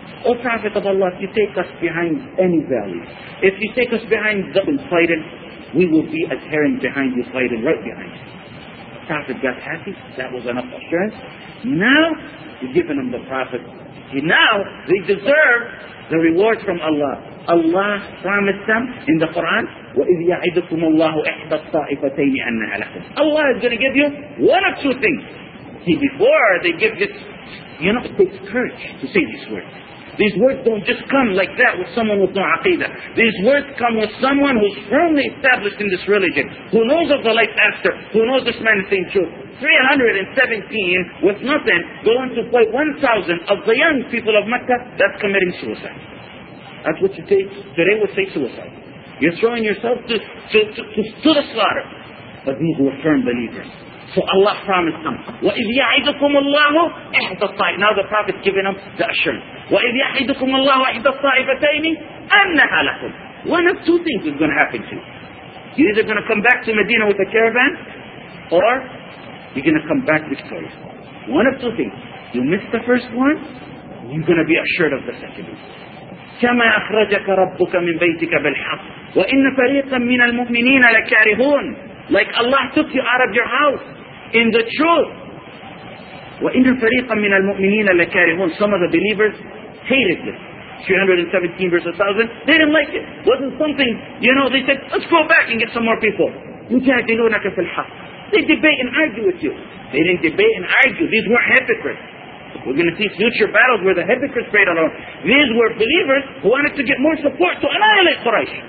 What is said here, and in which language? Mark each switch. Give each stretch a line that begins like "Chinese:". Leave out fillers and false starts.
English: O Prophet of Allah, if you take us behind any valley, if you take us behind Zabun fighting, we will be adhering behind you fighting right behind you. Prophet got happy, that was enough assurance. Now, he's given him the Prophet. Now, they deserve the reward from Allah. Allah promised them in the Quran,
Arabic: وَإِذْ يَعِدُكُمُ اللَّهُ إِحْدَى الطَّائِفَتَيْنِ أَنَّهَا لَكُمْ.
English: Allah is going to give you one of two things. See, before they give this, you know, it takes courage to say these words. These words don't just come like that with someone with no aqidah. These words come with someone who's firmly established in this religion, who knows of the life after, who knows this man is saying truth. 317 with nothing going to fight 1,000 of the young people of Mecca, that's committing suicide. That's what you say. Today we say suicide. You're throwing yourself to the slaughter. But these were firm believers. So Allah promised them.
Arabic: وَإِذْ يَعِدُكُمُ اللَّهُ إِحْدَى الطَّائِفَتَيْنِ.
English: Now the Prophet's giving them the assurance.
Arabic: وَإِذْ يَعِدُكُمُ اللَّهُ إِحْدَى الطَّائِفَتَيْنِ أَنَّهَا لَكُمْ.
English: One of two things is going to happen to you. You're either going to come back to Medina with a caravan, or you're going to come back victorious. One of two things. You miss the first one, you're going to be assured of the second one.
Arabic: كما أخرجك ربك من بيتك بالحق وإن فريقا من المؤمنين لكارهون.
English: Like Allah took you out of your house in the truth.
Arabic: وإن فريقا من المؤمنين لكارهون.
English: Some of the believers hated this. 317 verse 1000. They didn't like it. Wasn't something, you know, they said, let's go back and get some more people.
Arabic: يجادلونك في الحق.
English: They debate and argue with you. They didn't debate and argue. These weren't hypocrites. We're going to see future battles where the hypocrites prayed alone. These were believers who wanted to get more support to annihilate Quraysh.